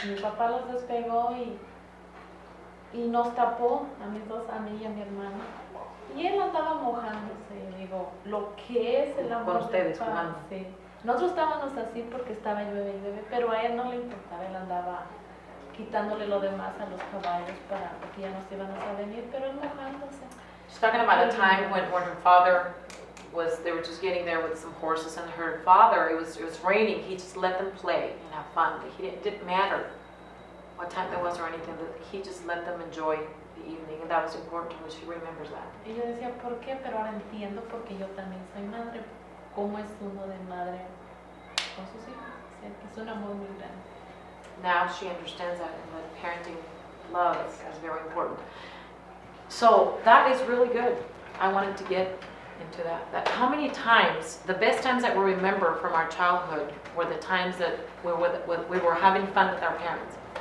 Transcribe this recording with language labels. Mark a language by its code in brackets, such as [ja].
[es] Mi papá los despegó y nos tapó a mis dos, a mí y a mi hermano. Y él andaba mojándose, y digo, lo que es el amor. Con ustedes, jugando. Sí. Nosotros estábamos así porque estaba llueve y llueve, pero a él no le importaba, él andaba quitándole lo demás a los caballos para que ya nos iban a venir, pero él mojándose. [en] She's talking about a time when her father was, they were just getting there with some horses, and her father, it was raining, he just let them play and have fun. It didn't matter what time there was or anything, but he just let them enjoy the evening, and that was important to her, she remembers that. [es] Y yo decía, ¿por qué? Pero ahora entiendo porque yo también soy madre. ¿Cómo es uno de madre con sus hijos? Es un amor muy grande. [en] Now she understands that, and that parenting love is very important. So that is really good. I wanted to get into that. That how many times, the best times that we remember from our childhood were the times that we were having fun with our parents.